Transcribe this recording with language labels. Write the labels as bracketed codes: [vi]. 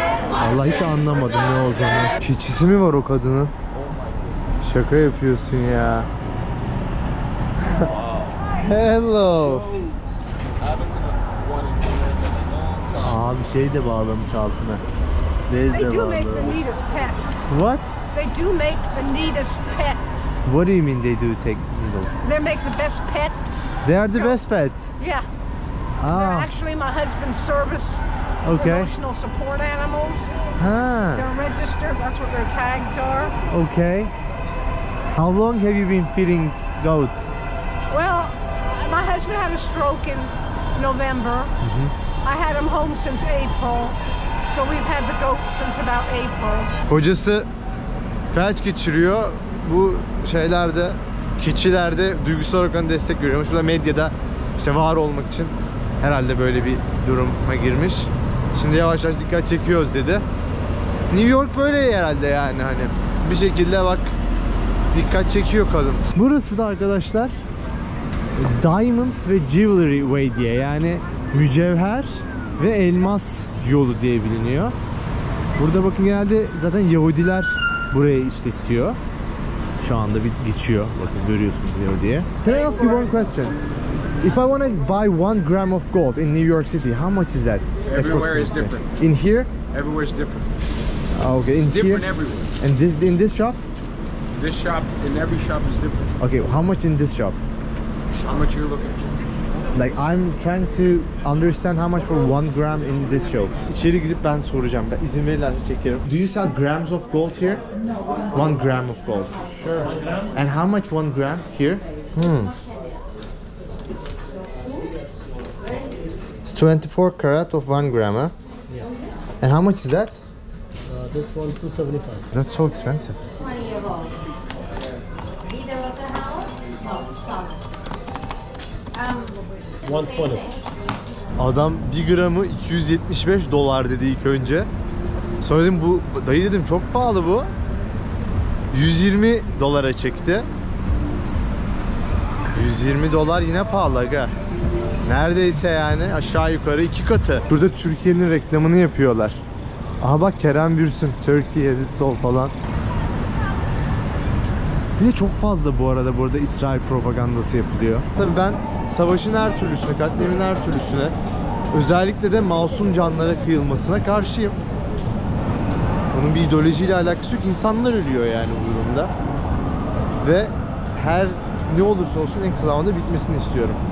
[tr] Allah, hiç anlamadım ne olduğunu. Keçisi mi var o kadının? Şaka yapıyorsun ya. [en] Hello. [tr] Abi şey de bağlamış altına. Bez de bağlamış. [en] What? They do make the neatest pets. What do you mean they do take needles? They make the best pets. They are the best pets? Yeah. Ah. They're actually my husband's service emotional support animals. Huh. They're registered, that's what their tags are. Okay. How long have you been feeding goats? Well, my husband had a stroke in November. Mm-hmm. I had him home since April. So we've had the goat since about April. [tr] Kocası felç geçiriyor. Bu şeylerde, keçilerde duygusal olarak ona destek veriyormuş. Bu da medyada işte var olmak için herhalde böyle bir duruma girmiş. Şimdi yavaş yavaş dikkat çekiyoruz dedi. New York böyle herhalde yani hani. Bir şekilde bak dikkat çekiyor kadın. Burası da arkadaşlar Diamond ve Jewelry Way diye, yani mücevher ve elmas yolu diye biliniyor. Burada bakın genelde zaten Yahudiler burayı işletiyor. Şu anda bir geçiyor. Bakın görüyorsunuz Yahudi'ye. [en] Can I ask you one question? If I want to buy 1 gram of gold in New York City, how much is that? Everywhere is different. In here? Everywhere is different. Okay, in it's different here? Different everywhere. And this, in this shop? This shop, in every shop is different. Okay, how much in this shop? How much are you looking for? Like I'm trying to understand how much for 1 gram in this show. [tr] İçeri girip ben soracağım. Ben izin verirlerse çekerim. [en] Do you sell grams of gold here? 1 gram of gold. Sure. And how much 1 gram here? It's 24 carat of 1 gram, huh? Yeah. And how much is that? This one's 275. That's so expensive. [tr] Adam 1 gramı 275 dolar dedi ilk önce. Sonra dedim bu dayı dedim çok pahalı bu. 120 dolara çekti. 120 dolar yine pahalı aga. Neredeyse yani aşağı yukarı 2 katı. Burada Türkiye'nin reklamını yapıyorlar. Aha bak Kerem Bürsün, [en] Turkey has its all [tr] falan. Bir de çok fazla bu arada burada İsrail propagandası yapılıyor. Tabii ben savaşın her türlüsüne, katliamın her türlüsüne, özellikle de masum canlara kıyılmasına karşıyım. Onun bir ideolojiyle alakası yok. İnsanlar ölüyor yani bu durumda. Ve her ne olursa olsun en kısa zamanda bitmesini istiyorum.